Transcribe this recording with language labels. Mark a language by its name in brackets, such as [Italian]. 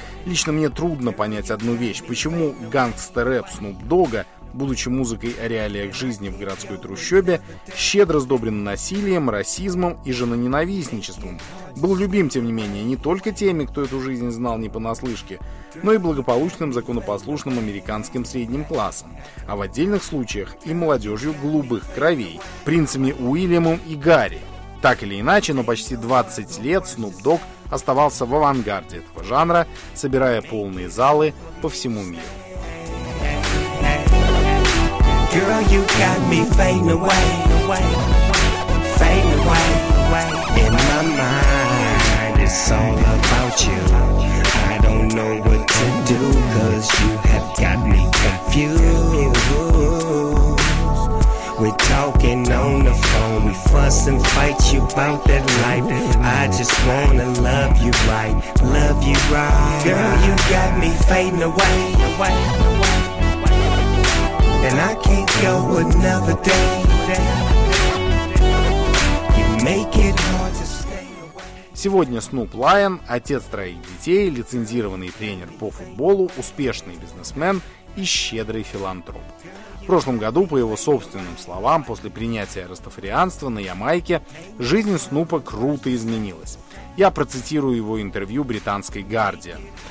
[Russian] Лично мне трудно понять одну вещь, почему гангстер-рэп Снуп Дога, будучи музыкой о реалиях жизни в городской трущобе, щедро сдобрен насилием, расизмом и женоненавистничеством, был любим, тем не менее, не только теми, кто эту жизнь знал не понаслышке, но и благополучным законопослушным американским средним классом, а в отдельных случаях и молодежью голубых кровей, принцами Уильямом и Гарри. Так или иначе, но почти 20 лет Снуп Дог оставался в авангарде этого жанра, собирая полные залы по всему миру. [English] Girl, you got me fading away, fading away, in my mind, it's all about you. I don't know what to do, cause you have got me confused. We're talking on the phone, we fuss and fight you about that life. I just wanna love you right. Girl, you got me fading away, away. And I can't go another day. You make it hard to stay away. [Russian] Сегодня Снуп Лайон, отец троих детей, лицензированный тренер по футболу, успешный бизнесмен и щедрый филантроп. В прошлом году, по его собственным словам, после принятия растафарианства на Ямайке, жизнь Снупа круто изменилась. Я процитирую его интервью британской «Гардиан».